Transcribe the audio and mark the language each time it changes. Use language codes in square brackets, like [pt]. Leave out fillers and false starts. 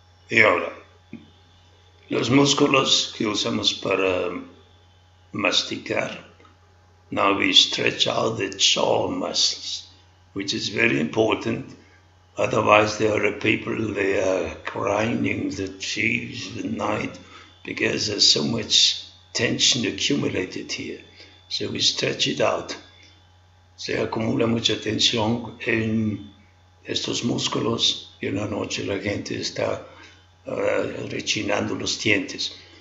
[es] Y ahora, los músculos que usamos para masticar. [en] Now we stretch out the jaw muscles, which is very important. Otherwise, there are people, they are grinding the teeth at night because there's so much tension accumulated here. So we stretch it out. [es] Se acumula mucha tensión en estos músculos y en la noche la gente está rechinando los dientes.